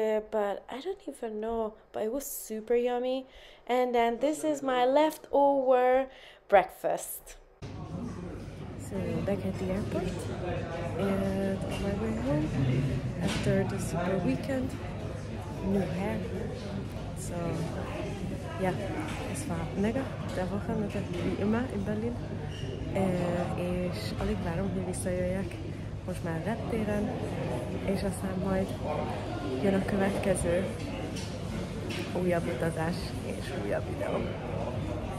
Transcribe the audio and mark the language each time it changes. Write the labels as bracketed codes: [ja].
[en] But I don't even know, but it was super yummy. And then this is my leftover breakfast. So back at the airport and on my way home after the super weekend, new hair. [de] So yeah, es war mega der Wochenende wie immer in Berlin. [hu] És alig várom, hogy visszajöjjek. Most már reptéren, és aztán majd jön a következő újabb utazás és újabb videó.